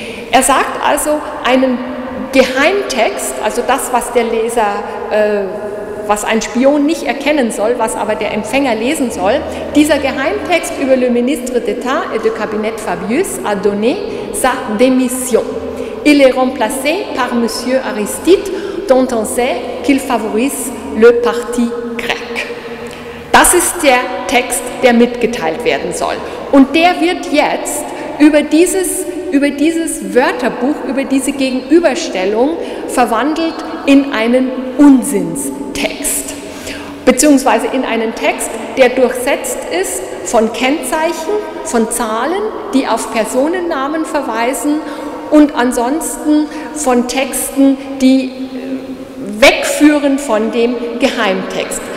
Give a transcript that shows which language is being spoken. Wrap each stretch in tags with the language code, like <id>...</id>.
<de>Er sagt also, einen Geheimtext, also das, was der Leser, was ein Spion nicht erkennen soll, was aber der Empfänger lesen soll, dieser Geheimtext über</de> <fr>le ministre d'État et de Cabinet Fabius a donné sa démission. Il est remplacé par Monsieur Aristide, dont on sait qu'il favorise le parti grec.</fr> <de>Das ist der Text, der mitgeteilt werden soll. Und der wird jetzt über dieses Wörterbuch, über diese Gegenüberstellung verwandelt in einen Unsinnstext, beziehungsweise in einen Text, der durchsetzt ist von Kennzeichen, von Zahlen, die auf Personennamen verweisen und ansonsten von Texten, die wegführen von dem Geheimtext.</de>